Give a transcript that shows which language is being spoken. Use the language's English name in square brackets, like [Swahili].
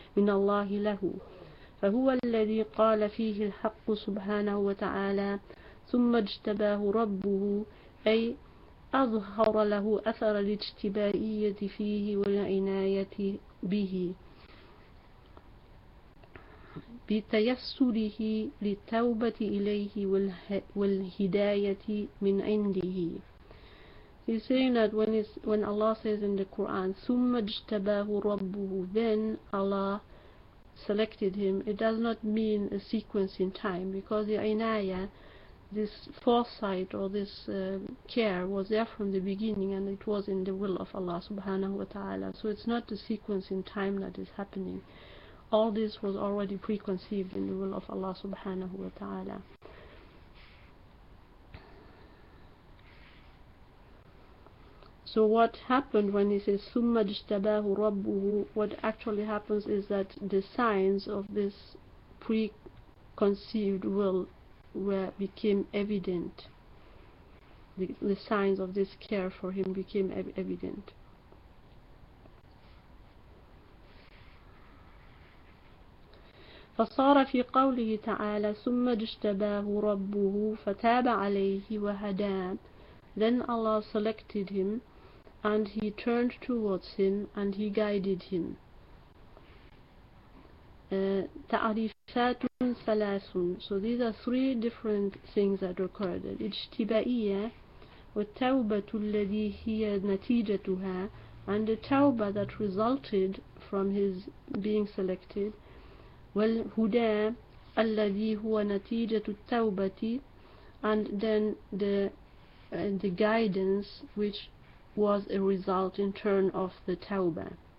[Arabic] الله له فهو الذي قال فيه الحق سبحانه وتعالى ثم اجتباه ربه أي أظهر له أثر الاجتبائية فيه والعناية به بتيسره للتوبة إليه والهداية من عنده. [English] He's saying that when Allah says in the Quran, [Arabic] ثم اجتباه ربه, [English] then Allah selected him, it does not mean a sequence in time, because the inaya, this foresight or this care, was there from the beginning, and it was in the will of Allah subhanahu wa ta'ala. So it's not the sequence in time that is happening. All this was already preconceived in the will of Allah subhanahu wa ta'ala. So what happened when he says [Arabic] ثُمَّ اجْتَبَاهُ رَبُّهُ, [English] what actually happens is that the signs of this preconceived will became evident. The signs of this care for him became evident. [Arabic] فصار في قوله تعالى ثم اجتباه ربه فتاب عليه وهداه. [English] Then Allah selected him and he turned towards him and he guided him. [Arabic] تعريفات ثلاث. [English] So these are three different things that occurred. [Arabic] الاجتبائية والتوبة التي هي نتيجتها [English] And the tauba that resulted from his being selected, [Arabic] والهدى الذي هو نتيجة التوبة, [English] and then the guidance which was a result in turn of the tauba.